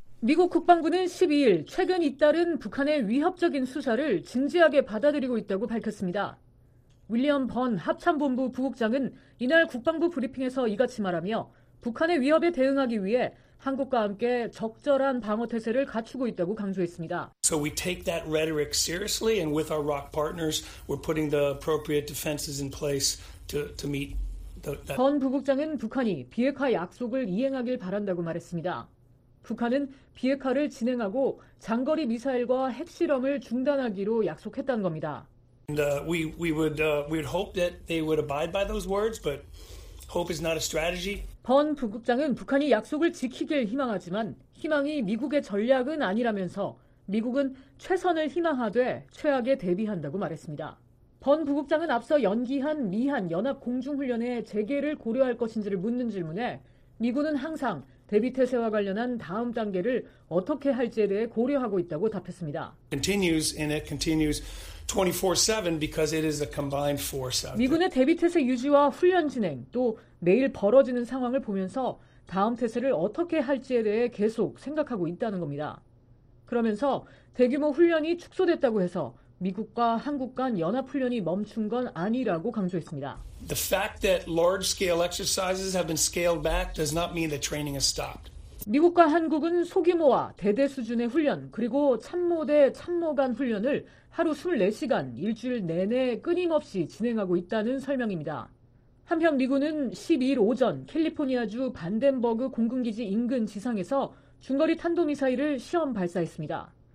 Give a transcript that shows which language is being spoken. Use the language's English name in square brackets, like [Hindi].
[Korean] 미국 국방부는 12일 최근 잇따른 북한의 위협적인 수사를 진지하게 받아들이고 있다고 밝혔습니다. 윌리엄 번 합참본부 부국장은 이날 국방부 브리핑에서 이같이 말하며 북한의 위협에 대응하기 위해 한국과 함께 적절한 방어 태세를 갖추고 있다고 강조했습니다. [English] So we take that rhetoric seriously and with our ROC partners we're putting the appropriate defenses in place to meet the [Korean] 번 부국장은 북한이 비핵화 약속을 이행하길 바란다고 말했습니다. 북한은 비핵화를 진행하고 장거리 미사일과 핵실험을 중단하기로 약속했다는 겁니다. [English] And we would hope that they would abide by those words but hope is not a strategy. [Korean] 번 부국장은 북한이 약속을 지키길 희망하지만 희망이 미국의 전략은 아니라면서 미국은 최선을 희망하되 최악에 대비한다고 말했습니다. 번 부국장은 앞서 연기한 미한 연합 공중훈련의 재개를 고려할 것인지를 묻는 질문에 미군은 항상 대비태세와 관련한 다음 단계를 어떻게 할지에 대해 고려하고 있다고 답했습니다. [English] Continues and it continues 24/7 because it is a combined force. [Korean] 미군의 대비태세 유지와 훈련 진행 또 매일 벌어지는 상황을 보면서 다음 태세를 어떻게 할지에 대해 계속 생각하고 있다는 겁니다. 그러면서 대규모 훈련이 축소됐다고 해서 미국과 한국 간 연합훈련이 멈춘 건 아니라고 강조했습니다. [English] The fact that large-scale exercises have been scaled back does not mean that training has stopped. [Korean] 미국과 한국은 소규모와 대대 수준의 훈련 그리고 참모대 참모 간 훈련을 하루 24시간 일주일 내내 끊임없이 진행하고 있다는 설명입니다. 한편 미군은 12일 오전 캘리포니아주 반덴버그 공군기지 인근 지상에서 중거리 탄도미사일을 시험 발사했습니다.